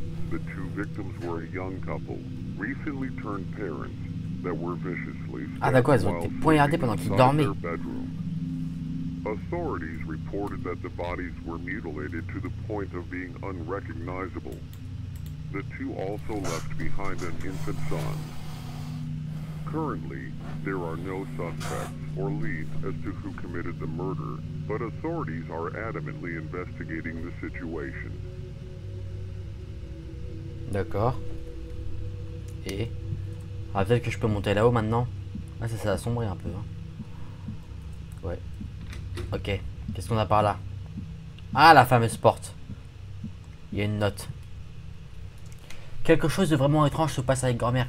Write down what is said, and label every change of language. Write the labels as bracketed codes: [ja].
[en] The two victims were a young couple, recently turned parents, that were viciously stabbed. [fr] Ah, d'accord, elles ont été poignardées pendant qu'ils dormaient. [en] Authorities reported that the bodies were mutilated to the point of being unrecognizable. The two also left behind an infant son. Currently, there are no suspects or leads as to who committed the murder, but authorities are adamantly investigating the situation. [fr] D'accord. Et ah, peut-être que je peux monter là-haut maintenant. Ah, ça a sombré un peu. Hein. Ouais. Ok. Qu'est-ce qu'on a par là? Ah, la fameuse porte. Il y a une note. Quelque chose de vraiment étrange se passe avec grand-mère.